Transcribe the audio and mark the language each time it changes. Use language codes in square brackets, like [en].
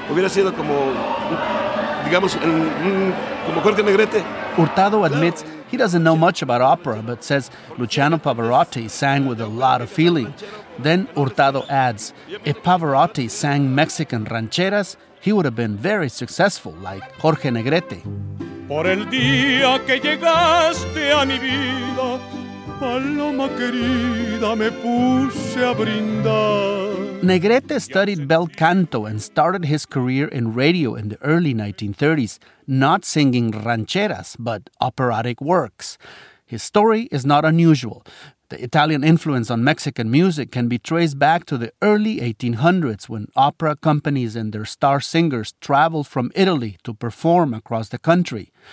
[es] Hubiera sido como... digamos, como Jorge Negrete. [en] Hurtado admits he doesn't know much about opera, but says Luciano Pavarotti sang with a lot of feeling. Then Hurtado adds, if Pavarotti sang Mexican rancheras, he would have been very successful, like Jorge Negrete. [es] Por el día que llegaste a mi vida, paloma querida, me puse a brindar. [en] Negrete studied bel canto and started his career in radio in the early 1930s, not singing rancheras, but operatic works. His story is not unusual. The Italian influence on Mexican music can be traced back to the early 1800s when opera companies and their star singers traveled from Italy to perform across the country.